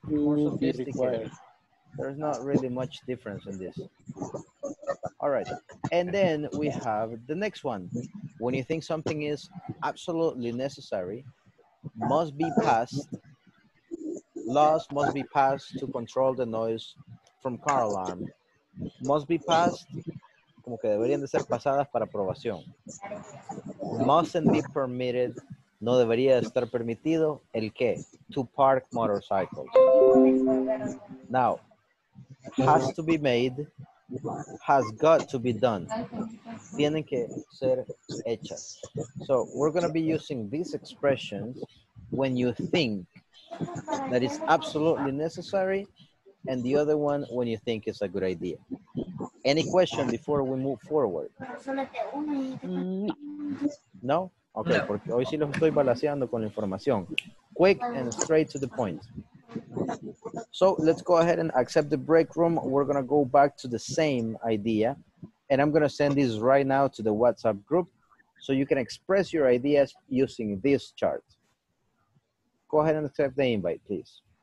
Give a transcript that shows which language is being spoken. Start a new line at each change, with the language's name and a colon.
English: There's not really much difference in this. All right. And then we have the next one. When you think something is absolutely necessary, must be passed, laws must be passed to control the noise from car alarm. Must be passed,
Spanish: como que deberían de ser pasadas para aprobación.
English: Mustn't be permitted,
Spanish: no debería estar permitido, el qué?
English: To park motorcycles. Now, has to be made, has got to be done.
Spanish: Tienen que ser hechas.
English: So we're going to be using these expressions when you think that it's absolutely necessary and the other one when you think it's a good idea. Any question before we move forward? No?
Spanish: Okay, porque hoy sí los estoy balaseando con la información.
English: Quick and straight to the point. So let's go ahead and accept the break room. We're going to go back to the same idea. And I'm going to send this right now to the WhatsApp group so you can express your ideas using this chart. Go ahead and accept the invite, please.